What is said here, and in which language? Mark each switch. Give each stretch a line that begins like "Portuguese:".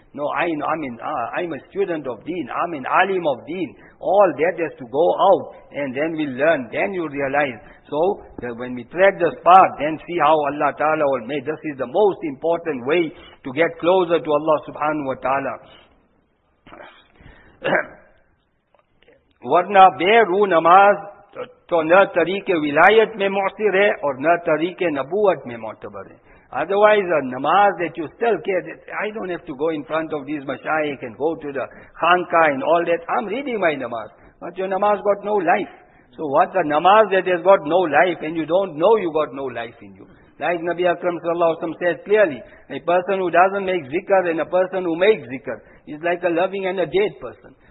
English: No, I'm a student of deen. I'm an alim of deen. All that has to go out. And then we learn. Then you realize. So, when we track this path, then see how Allah Ta'ala will make. This is the most important way to get closer to Allah Subhanahu Wa Ta'ala.
Urdu: ورنہ بے رو نماز تو نہ طریق ولایت میں مؤثر ہے اور نہ طریق نبوت میں معتبر ہے.
English: Otherwise, a namaz that you still care, I don't have to go in front of these mashayikh and go to the khanka and all that. I'm reading my namaz. But your namaz got no life. So what a namaz that has got no life and you don't know you got no life in you. Like Nabi Akram sallallahu alayhi wa sallam said clearly, a person who doesn't make zikr and a person who makes zikr is like a living and a dead person.